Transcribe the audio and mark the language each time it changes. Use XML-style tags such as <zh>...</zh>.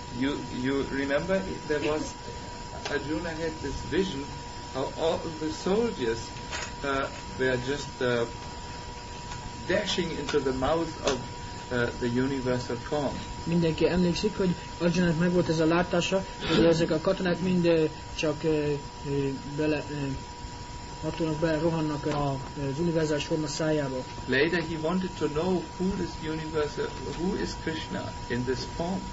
<en>You remember there was Arjuna had this vision how all the soldiers were just dashing into the mouth of the universal form.</en> <hu>Mindenki emlékszik, hogy Arjuna meg volt ez a látása, hogy ezek a katonák mind csak bele hatónak bele rohannak az univerzális forma szájába.</hu> <en>Later he wanted to know who is universal, who is Krishna in this form.</en>